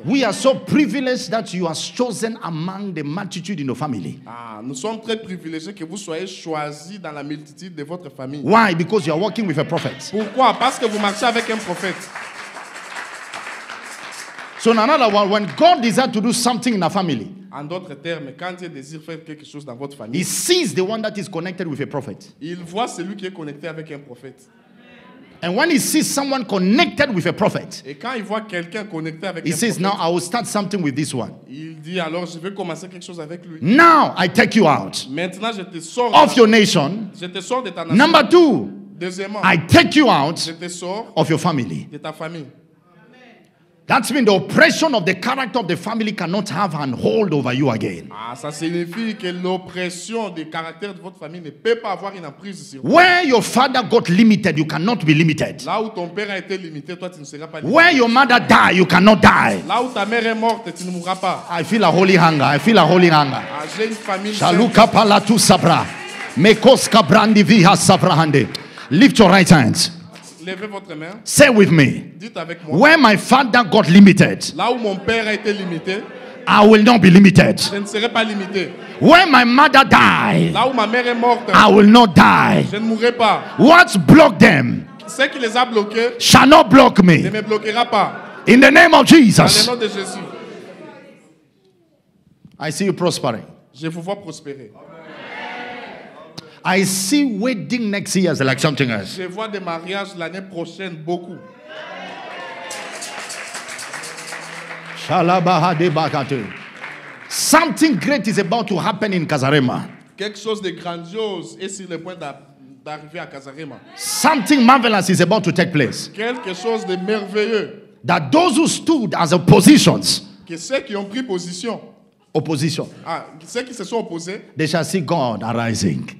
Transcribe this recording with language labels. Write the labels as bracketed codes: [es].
[en] We are so privileged that you are chosen among the multitude in your family. [fr] Ah, nous sommes très privilégiés que vous soyez choisis dans la multitude de votre famille. [en] Why? Because you are working with a prophet. [fr] Pourquoi? Parce que vous marchez avec un prophète. [en] So in another word, when God desires to do something in a family, [fr] en d'autres termes, quand Dieu désire faire quelque chose dans votre famille, [en] he sees the one that is connected with a prophet. [fr] Il voit celui qui est connecté avec un prophète. [en] And when he sees someone connected with a prophet, [fr] et quand il voit quelqu'un connecté avec [en] he [fr] un [en] says, [fr] prophète, [en] now I will start something with this one. [fr] Il dit alors, je vais commencer quelque chose avec lui. [en] Now I take you out. [fr] Maintenant, je te sors [en] of your nation. [fr] Je te sors de ta nation. [en] Number two, [fr] deuxièmement, [en] I take you out, [fr] je te sors [en] of your family. [fr] De ta famille. [en] That means the oppression of the character of the family cannot have a hold over you again. [fr] Ah, ça signifie que l'oppression du caractère de votre famille ne peut pas avoir une emprise sur vous. [en] Where your father got limited, you cannot be limited. [fr] Là où ton père a été limité, toi tu ne seras pas limité. [en] Where your mother died, you cannot die. [fr] Là où ta mère est morte, tu ne mourras pas. [en] I feel a holy hunger. I feel a holy hunger. [fr] Ah, j'ai une famille. Shaluka palatu sabra, mekos kabrandi viha sabrahande. [en] Lift your right hand. [fr] Levez votre main. [en] Say with me. [fr] Dites avec moi. [en] Where my father got limited, [fr] là où mon père a été limité, [en] I will not be limited. [fr] Je ne serai pas limité. [en] Where my mother died, [fr] là où ma mère est morte, [en] I will not die. [fr] Je ne mourrai pas. [en] What's blocked them, [fr] ce qui les a bloqués, [en] shall not block me. [fr] Ne me bloquera pas. [en] In the name of Jesus. [fr] Dans le nom de Jésus. [en] I see you prospering. [fr] Je vous vois prospérer. [en] I see wedding next year as like something else. [fr] Je vois des mariages l'année prochaine beaucoup. Shalabaha de bakate. [en] Something great is about to happen in Kasarema. [fr] Quelque chose de grandiose est sur le point d'arriver à Kasarema. [en] Something marvelous is about to take place. [fr] Quelque chose de merveilleux. [en] That those who stood as oppositions. [fr] Que ceux qui ont pris position. [en] Opposition. [fr] Ah, ceux qui se sont opposés. [en] They shall see God arising.